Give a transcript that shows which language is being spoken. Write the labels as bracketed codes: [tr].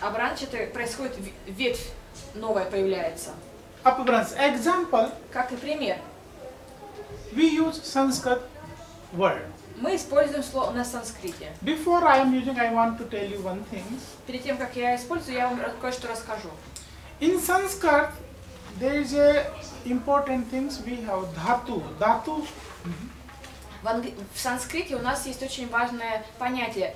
[ru] Apabhranch это происходит ветвь новая появляется. [en] Apabhrans. Example. [ru] Как и пример. [en] We use Sanskrit word. [ru] Мы используем слово на санскрите. [en] Before I am using, I want to tell you one thing. [ru] Перед тем, как я использую, я вам кое-что расскажу. [en] In Sanskrit, there is a important things we have dhatu. Dhatu. [ru] В санскрите у нас есть очень важное понятие.